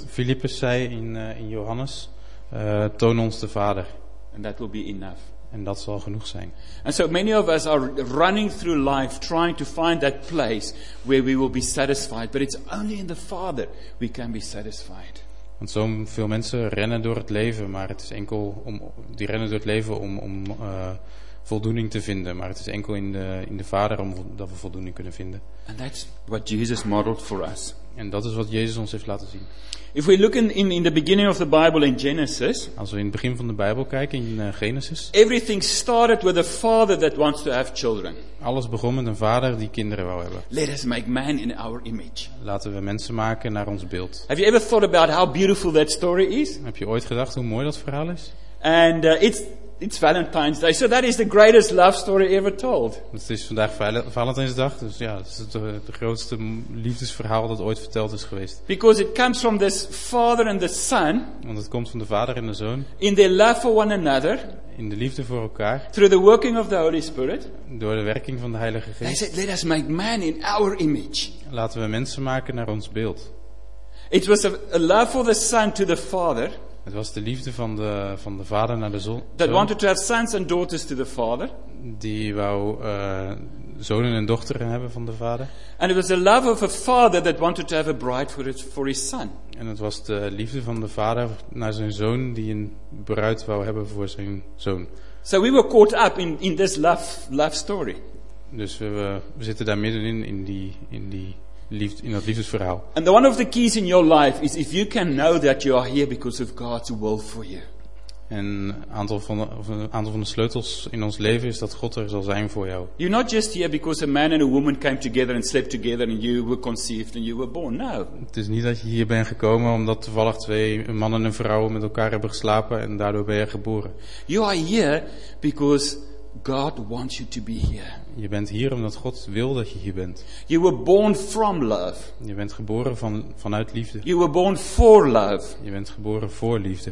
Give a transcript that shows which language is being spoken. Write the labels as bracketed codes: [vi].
[nl] Philippus zei in Johannes, toon ons de Vader. [en] And that will be enough. [nl] En dat zal genoeg zijn. [en] And so many of us are running through life trying to find that place where we will be satisfied, but it's only in the Father we can be satisfied. [nl] Want zo veel mensen rennen door het leven, maar het is enkel om die rennen door het leven om voldoening te vinden, maar het is enkel in de Vader om dat we voldoening kunnen vinden. [en] And that's what Jesus modeled for us. [nl] En dat is wat Jezus ons heeft laten zien. [en] If we look in the beginning of the Bible in Genesis, [nl] als we in het begin van de Bijbel kijken in Genesis, [en] everything started with a father that wants to have children. [nl] Alles begon met een vader die kinderen wou hebben. [en] Let us make man in our image. [nl] Laten we mensen maken naar ons beeld. [en] Have you ever thought about how beautiful that story is? [nl] Heb je ooit gedacht hoe mooi dat verhaal is? [en] And it's Valentine's Day, so that is the greatest love story ever told. [nl] Het is vandaag Valentijnsdag, dus ja, het is het grootste liefdesverhaal dat ooit verteld is geweest. [en] Because it comes from this father and the son. [nl] Want het komt van de vader en de zoon. [en] In their love for one another. [nl] In de liefde voor elkaar. [en] Through the working of the Holy Spirit. [nl] Door de werking van de Heilige Geest. [en] They said, let us make man in our image. [nl] Laten we mensen maken naar ons beeld. [en] It was a love for the son to the father. [nl] Het was de liefde van de vader naar de zoon. [en] That wanted to have sons and daughters to the father. [nl] Die wou zonen en dochter hebben van de vader. [en] And it was the love of a father that wanted to have a bride for his son. [nl] En het was de liefde van de vader naar zijn zoon die een bruid wou hebben voor zijn zoon. [en] So we were caught up in this love story. [nl] Dus we zitten daar middenin in die liefde, in dat liefdesverhaal. [en] And one of the keys in your life is if you can know that you are here because of God's will for you. [nl] En een aantal van de sleutels in ons leven is dat God er zal zijn voor jou. [en] You're not just here because a man and a woman came together and slept together and you were conceived and you were born. No. [nl] Het is niet dat je hier bent gekomen omdat toevallig een man en een vrouw met elkaar hebben geslapen en daardoor ben je geboren. [en] You are here because God wants you to be here. [nl] Je bent hier omdat God wil dat je hier bent. [en] You were born from love. [nl] Je bent geboren vanuit liefde. [en] You were born for love. [nl] Je bent geboren voor liefde.